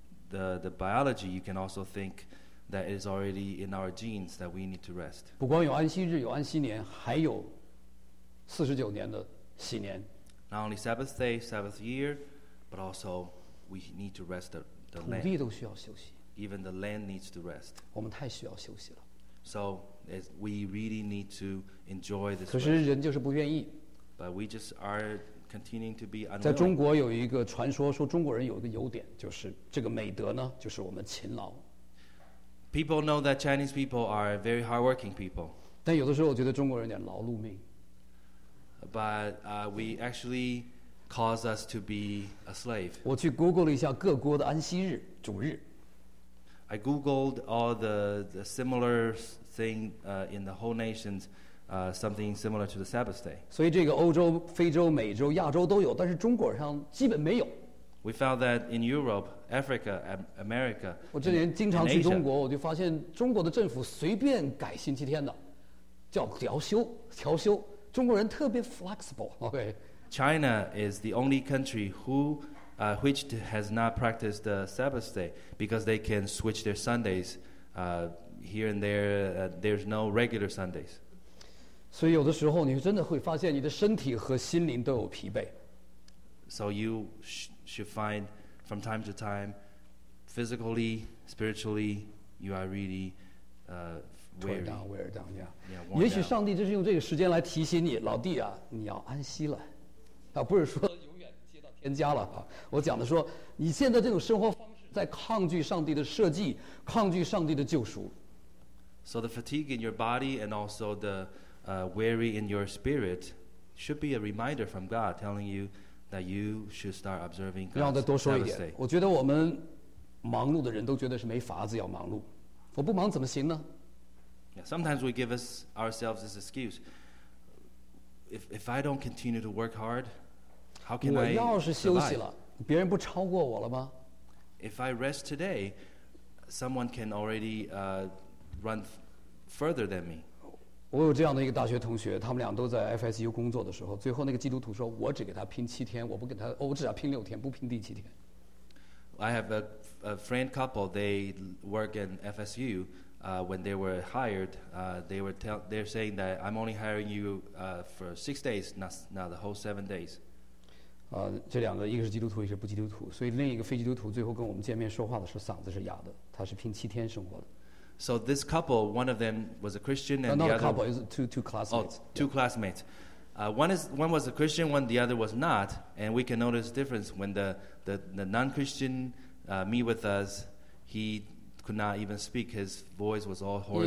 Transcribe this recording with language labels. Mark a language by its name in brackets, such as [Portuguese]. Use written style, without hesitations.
[English] the biology, you can also think that it is already in our genes that we need to rest. [Chinese] 不光有安息日，有安息年，还有四十九年的禧年。 [English] Not only Sabbath day, Sabbath year, but also we need to rest the land. [Chinese] 土地都需要休息。 [English] Even the land needs to rest. [Chinese] 我们太需要休息了。 [English] So we really need to enjoy this. [Chinese] 可是人就是不愿意。 [English] But we just are continuing to be unwilling. [Chinese] 在中国有一个传说，说中国人有一个优点，就是这个美德呢，就是我们勤劳。 [English] People know that Chinese people are very hardworking people. [Chinese] 但有的时候我觉得中国人有点劳碌命。 [English] But we actually cause us to be a slave. [Chinese] 我去 Google 了一下各国的安息日主日。 [English] I googled all the similar thing in the whole nations, something similar to the Sabbath day. [Chinese] 所以这个欧洲、非洲、美洲、亚洲都有，但是中国上基本没有。 [English] We found that in Europe, Africa, America, and Asia. [Chinese] 我这年经常去中国，我就发现中国的政府随便改星期天的，叫调休。中国人特别 flexible. [English] OK. China is the only country which has not practiced the Sabbath day because they can switch their Sundays here and there. There's no regular Sundays. [Chinese] 所以有的时候你真的会发现你的身体和心灵都有疲惫。 [English] So you should find from time to time, physically, spiritually, you are really wear down, yeah. Yeah, [Chinese] 也许上帝就是用这个时间来提醒你，老弟啊，你要安息了。啊，不是说永远接到天家了啊。我讲的说，你现在这种生活方式在抗拒上帝的设计，抗拒上帝的救赎。 [English] So the fatigue in your body and also the weary in your spirit should be a reminder from God telling youThat you should start observing God's Sabbath day. [Chinese] 让我再多说一点，我觉得我们忙碌的人都觉得是没法子要忙碌，我不忙怎么行呢？ [English] Yeah, sometimes we give ourselves this excuse. If I don't continue to work hard, how can I survive? [Chinese] 我要是休息了，别人不超过我了吗？ [English] If I rest today, someone can already run further than me. [Chinese] 我有这样的一个大学同学，他们俩都在 FSU 工作的时候，最后那个基督徒说，我只给他拼七天，我不给他，我只要拼六天，不拼第七天。 [English] I have a friend couple, they work in FSU, when they were hired, they're saying that I'm only hiring you for 6 days, not the whole 7 days. [Chinese] 这两个，一个是基督徒，一个是不基督徒，所以另一个非基督徒最后跟我们见面说话的时候，嗓子是哑的，他是拼七天生活的。 [English] So this couple, one of them was a Christian and the other... Not a couple, two classmates. Oh, two classmates. One was a Christian, one the other was not. And we can notice the difference when the non-Christian meet with us, he could not even speak. His voice was all hoarse.